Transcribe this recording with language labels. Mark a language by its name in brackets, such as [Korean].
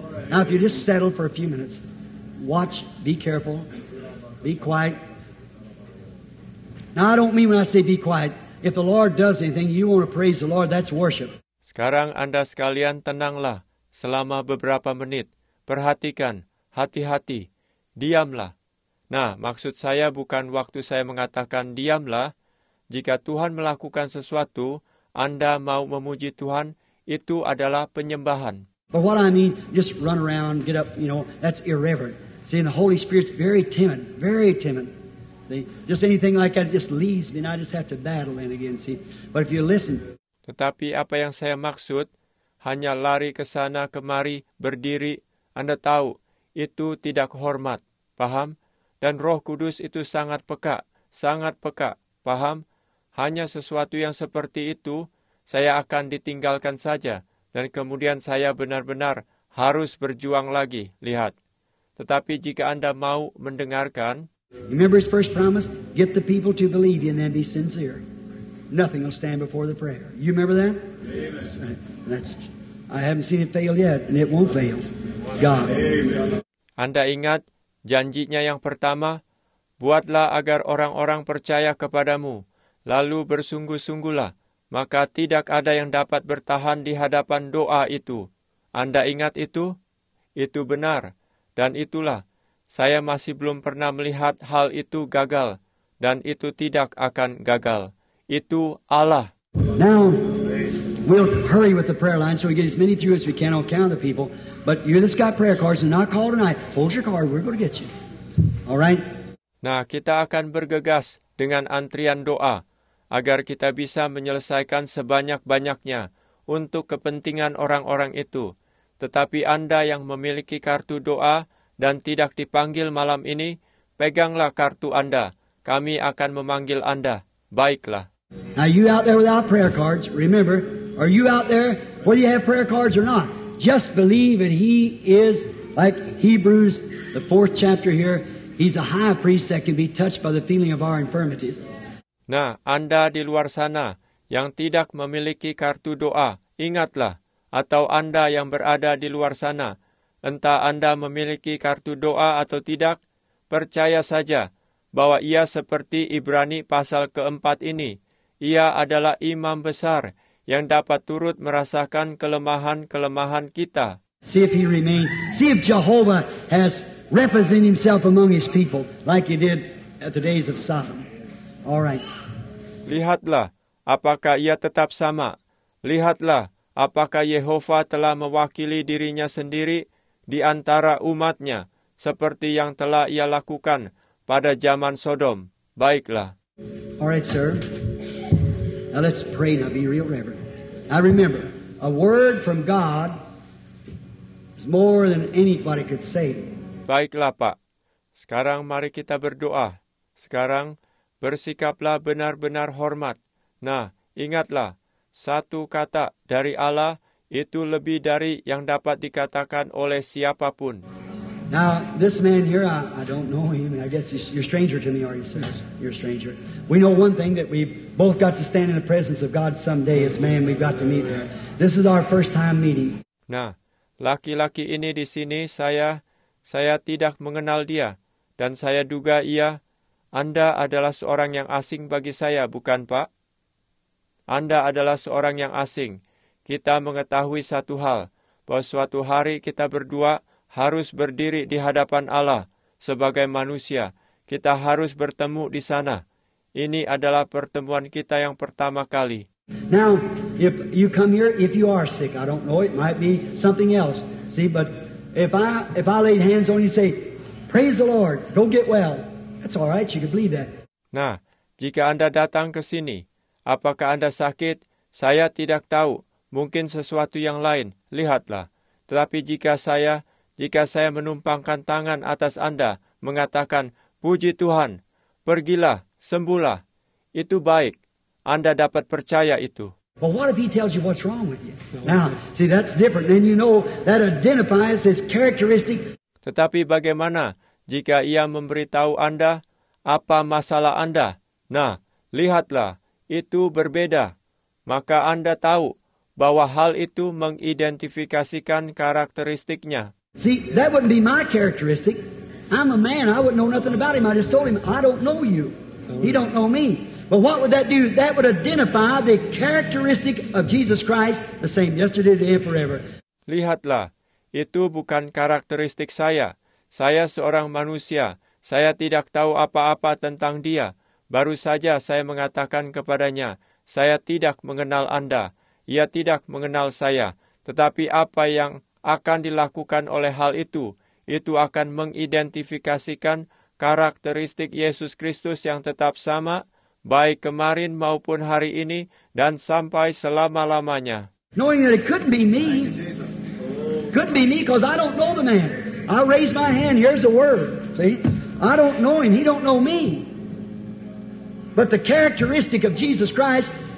[English] Now, if you just settle for a few minutes, watch, be careful, be quiet. Now, I don't mean when I say be quiet, if the Lord does anything, you want to praise the Lord, that's worship. [Indonesian] Sekarang Anda sekalian tenanglah selama beberapa menit. Perhatikan, hati-hati, diamlah. Nah, maksud saya bukan waktu saya mengatakan diamlah. Jika Tuhan melakukan sesuatu, Anda mau memuji Tuhan, itu adalah penyembahan. [English] But what I mean, just run around, get up, you know, that's irreverent. See, the Holy Spirit's very timid. See, just anything like that just leaves me, and I just have to battle in again, see. But if you listen. [Indonesian] Tetapi apa yang saya maksud, hanya lari ke sana kemari, berdiri, Anda tahu, itu tidak hormat, paham? Dan Roh Kudus itu sangat peka, paham? Hanya sesuatu yang seperti itu, saya akan ditinggalkan saja, dan kemudian saya benar-benar harus berjuang lagi, lihat. Tetapi jika Anda mau mendengarkan, [English] remember his first promise? Get the people to believe you and then be sincere. Nothing will stand before the prayer. You remember that? Amen. I haven't seen it fail yet, and it won't fail. It's God. Amen. [Indonesian] Anda ingat janjinya yang pertama? Buatlah agar orang-orang percaya kepadamu, lalu bersungguh-sungguhlah. Maka tidak ada yang dapat bertahan di hadapan doa itu. Anda ingat itu? Itu benar. Dan itulah, saya masih belum pernah melihat hal itu gagal, dan itu tidak akan gagal. Itu Allah. [English] Now, we'll hurry with the prayer line so we get as many through as we can on count of the people. But you just got prayer cards and not call tonight. Hold your card, we're going to get you. All right? [Indonesian] Nah, kita akan bergegas dengan antrian doa agar kita bisa menyelesaikan sebanyak-banyaknya untuk kepentingan orang-orang itu. Tetapi Anda yang memiliki kartu doa dan tidak dipanggil malam ini, peganglah kartu Anda. Kami akan memanggil Anda. Baiklah. [English] Now you out there without prayer cards, remember, are you out there, whether you have prayer cards or not, just believe that he is like Hebrews, the fourth chapter here, he's a high priest that can be touched by the feeling of our infirmities. [Indonesian] Nah, Anda di luar sana yang tidak memiliki kartu doa, ingatlah, atau Anda yang berada di luar sana, entah Anda memiliki kartu doa atau tidak, percaya saja bahwa ia seperti Ibrani pasal keempat ini. Ia adalah imam besar yang dapat turut merasakan kelemahan-kelemahan kita. [English] See if he remained. See if Jehovah has represented himself among his people like he did at the days of Sodom. All right. [Indonesian] Lihatlah, apakah ia tetap sama? Lihatlah, apakah Yehova telah mewakili dirinya sendiri di antara umatnya, seperti yang telah ia lakukan pada zaman Sodom. Baiklah. [English] All right, sir. Now let's pray and be real reverent. Now remember, a word from God is more than anybody could say. [Indonesian] Baiklah, Pak. Sekarang mari kita berdoa. Sekarang, bersikaplah benar-benar hormat. Nah, ingatlah, satu kata dari Allah itu lebih dari yang dapat dikatakan oleh siapapun. [English] Now, this man here, I don't know him. I guess you're a stranger to me, are you, sir? You're a stranger. We know one thing, that we both got to stand in the presence of God someday. As man, we've got to meet there. This is our first time meeting. [Indonesian] Nah, laki-laki ini di sini, saya tidak mengenal dia. Dan saya duga ia, Anda adalah seorang yang asing bagi saya, bukan, Pak? Anda adalah seorang yang asing. Kita mengetahui satu hal, bahwa suatu hari kita berdua harus berdiri di hadapan Allah sebagai manusia. Kita harus bertemu di sana. Ini adalah pertemuan kita yang pertama kali. [English] Now, if you come here, if you are sick, I don't know, it might be something else. See, but if I laid hands on you, say, praise the Lord, go get well. That's all right, you can believe that. [Indonesian] Nah, jika Anda datang ke sini, apakah Anda sakit? Saya tidak tahu. Mungkin sesuatu yang lain. Lihatlah. Tetapi jika saya menumpangkan tangan atas Anda, mengatakan, puji Tuhan, pergilah, sembuhlah. Itu baik. Anda dapat percaya itu. [English] Well, what if he tells you what's wrong with you? Now, see, that's different. And you know, that identifies his characteristic. [Indonesian] Tetapi bagaimana jika ia memberitahu Anda apa masalah Anda? Nah, lihatlah, itu berbeda. Maka Anda tahu bahwa hal itu mengidentifikasikan karakteristiknya. [English] See, that wouldn't be my characteristic. I'm a man. I wouldn't know nothing about him. I just told him, I don't know you. He don't know me. But what would that do? That would identify the characteristic of Jesus Christ the same yesterday, today, and forever. [Indonesian] Lihatlah, itu bukan karakteristik saya. Saya seorang manusia. Saya tidak tahu apa-apa tentang dia. Baru saja saya mengatakan kepadanya, saya tidak mengenal Anda. Ia tidak mengenal saya. Tetapi apa yang akan dilakukan oleh hal itu akan mengidentifikasikan karakteristik Yesus Kristus yang tetap sama, baik kemarin maupun hari ini, dan sampai selama-lamanya. [English] Knowing that it couldn't be me. Couldn't be me, because I don't know the man. I raise my hand, here's the word. See? I don't know him, he don't know me. But the characteristic of Jesus Christ.